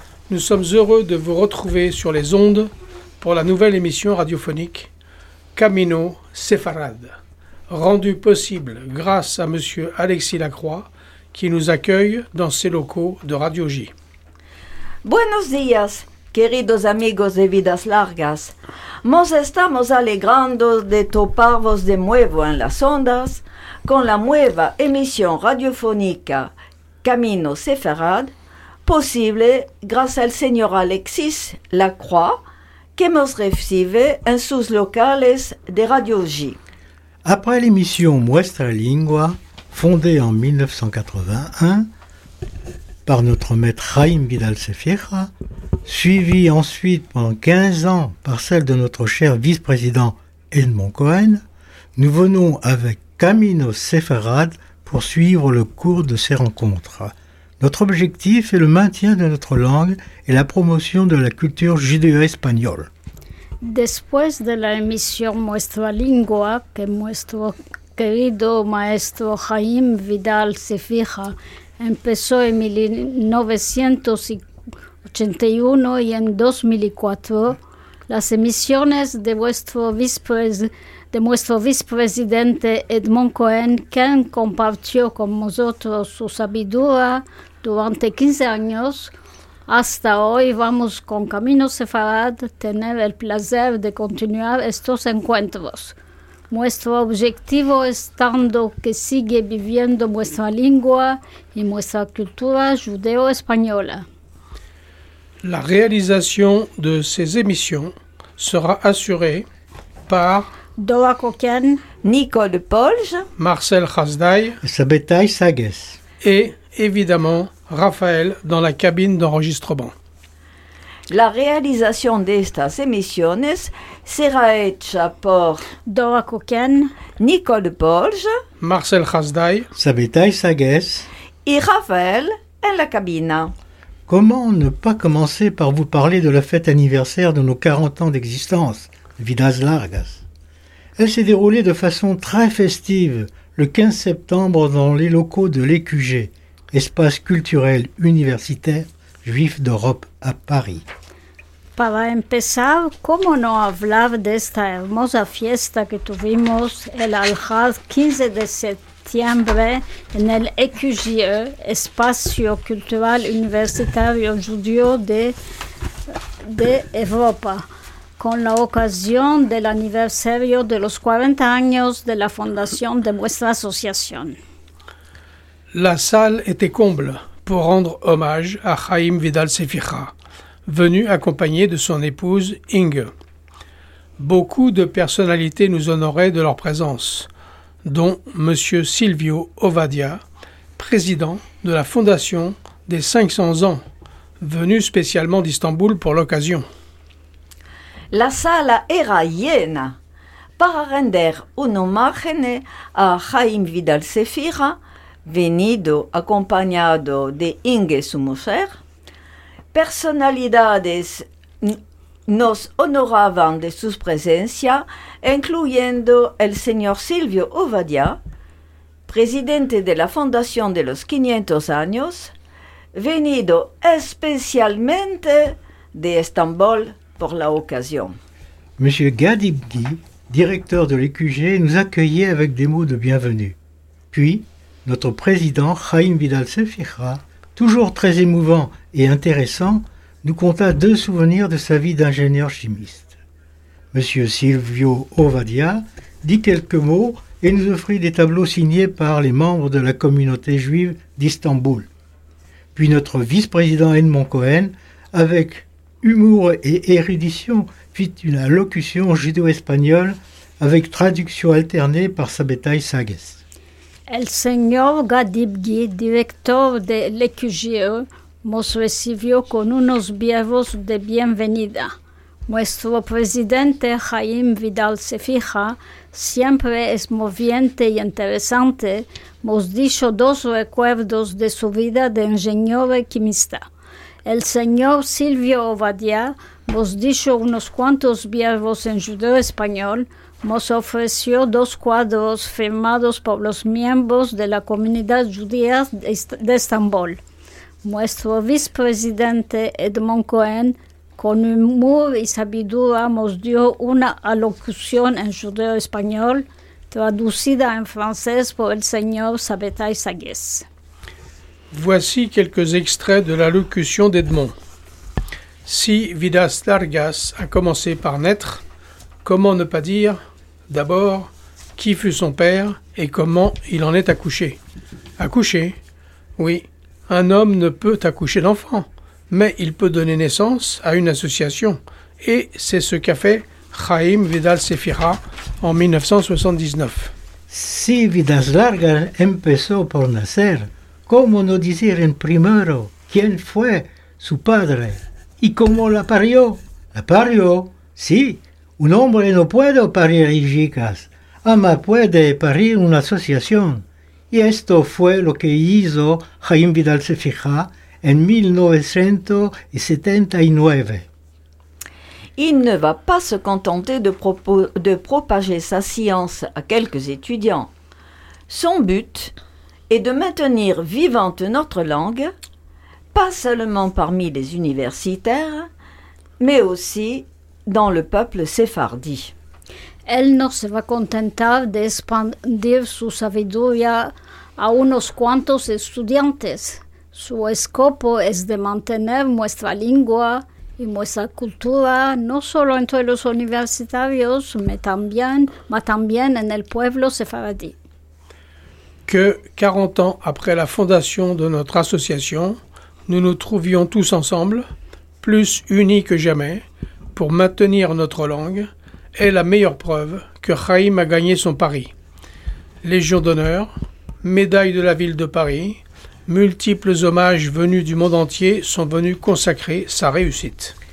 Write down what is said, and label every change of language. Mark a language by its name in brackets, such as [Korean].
[French] Nous sommes heureux de vous retrouver sur les ondes pour la nouvelle émission radiophonique Camino Sefarad, rendue possible grâce à M. Alexis Lacroix, qui nous accueille dans ses locaux de Radio J. [Ladino] Buenos días, queridos amigos de Vidas Largas. Nos estamos alegrando de toparvos de nuevo en las ondas con la nueva emisión radiofónica Camino Sefarad, posible gracias al señor Alexis Lacroix, que nos recibe en sus locales de Radio J. [French] Après l'émission Muestra Lingua, fondée en 1981 par notre maître Chaim Vidal Sefieja, suivie ensuite pendant 15 ans par celle de notre cher vice-président Edmond Cohen, nous venons avec Camino Sefarad pour suivre le cours de ces rencontres. Notre objectif est le maintien de notre langue et la promotion de la culture judéo-espagnole. [Ladino] Después de la emisión Muestra Lingua, que nuestro querido maestro Chaim Vidal Sefieja empezó en 1981 y en 2004, las emisiones de nuestro vicepresidente Edmond Cohen, quien compartió con nosotros su sabiduría durante 15 años, hasta hoy vamos con Camino Sefarad tener el placer de continuar estos encuentros. Nuestro objetivo es tanto que sigue viviendo nuestra lengua y nuestra cultura judeo-española. La realización de [French] ces émissions sera assurée par Dora Coquen, Nicole Polge, Marcel Khazdaï, Sabetaï Sagues et, évidemment, Raphaël dans la cabine d'enregistrement. La réalisation de [Ladino] estas emisiones sera hecha por Dora Coquen, Nicole Polge, Marcel Khazdaï, Sabetaï Sagues [French] et [Ladino] Raphaël en la cabine. [French] Comment ne pas commencer par vous parler de la fête anniversaire de nos 40 ans d'existence, Vidas Largas? Elle s'est déroulée de façon très festive le 15 septembre dans les locaux de l'EQG, espace culturel universitaire juif d'Europe à Paris. [Ladino] Para empezar, ¿cómo no hablar de esta hermosa fiesta que tuvimos el Al-Had 15 de septiembre en el EQG, espacio cultural universitario judío de Europa? Con la ocasión del aniversario de los 40 años de la fundación de nuestra asociación. [French] La salle était comble pour rendre hommage à Chaim Vidal Sefieja, venu accompagné de son épouse Inge. Beaucoup de personnalités nous honoraient de leur présence, dont M. Silvio Ovadia, président de la fondation des 500 ans, venu spécialement d'Istanbul pour l'occasion. [Ladino] La sala era llena. Para render un homenaje a Chaim Vidal Sefieja, venido acompañado de Inge, su mujer, personalidades nos honoraban de su presencia, incluyendo el señor Silvio Ovadia, presidente de la Fundación de los 500 años, venido especialmente de Estambul por la ocasión. [French] Monsieur Gadibdi, directeur de l'EQG, nous accueillait avec des mots de bienvenue. Puis, notre président, Chaim Vidal Sefieja, toujours très émouvant et intéressant, nous conta deux souvenirs de sa vie d'ingénieur chimiste. Monsieur Silvio Ovadia dit quelques mots et nous offrit des tableaux signés par les membres de la communauté juive d'Istanbul. Puis notre vice-président Edmond Cohen, avec humour et érudition, fit une allocution judéo-espagnole avec traduction alternée par Sabetaï Sagues. [Ladino] El señor Gadibgi, director de l'EQGE, nos recibió con unos verbos de bienvenida. Nuestro presidente Chaim Vidal Sefieja, siempre es moviente y interesante, nos dijo dos recuerdos de su vida de ingeniero quimista. El señor Silvio Ovadia nos dijo unos cuantos verbos en judeo español, nos ofreció dos cuadros firmados por los miembros de la comunidad judía de Estambul. Nuestro vicepresidente Edmond Cohen, con humor y sabiduría, nos dio una alocución en judeo-español, traducida en francés por el señor Sabetai Sagues. [French] Voici quelques extraits de l'allocution d'Edmond. Si Vidas Largas a commencé par naître, comment ne pas dire, d'abord, qui fut son père et comment il en est accouché? Accouché? Oui, un homme ne peut accoucher d'enfant, mais il peut donner naissance à une association. Et c'est ce qu'a fait Chaim Vidal Sefira en 1979. [Ladino] Si Vidas Largas empezó por nacer, ¿cómo no decir en primero quién fue su padre? ¿Y cómo la parió? ¿La parió? Sí, un hombre no puede parir hijas, ama puede parir una asociación. Y esto fue lo que hizo Chaim Vidal Sefira en 1979. [French] Il ne va pas se contenter de propager sa science à quelques étudiants. Son but est de maintenir vivante notre langue, pas seulement parmi les universitaires, mais aussi dans le peuple séfardi. [Ladino] Elle ne se va contenter d'expandir su sabiduría a unos cuantos estudiantes. Su escopo es de mantener nuestra lengua y nuestra cultura, no solo entre los universitarios, mais también en el pueblo sefardí. [French] Que 40 ans après la fondation de notre association, nous nous trouvions tous ensemble, plus unis que jamais, pour maintenir notre langue, est la meilleure preuve que Chaim a gagné son pari. Légion d'honneur, médaille de la ville de Paris, multiples hommages venus du monde entier sont venus consacrer sa réussite.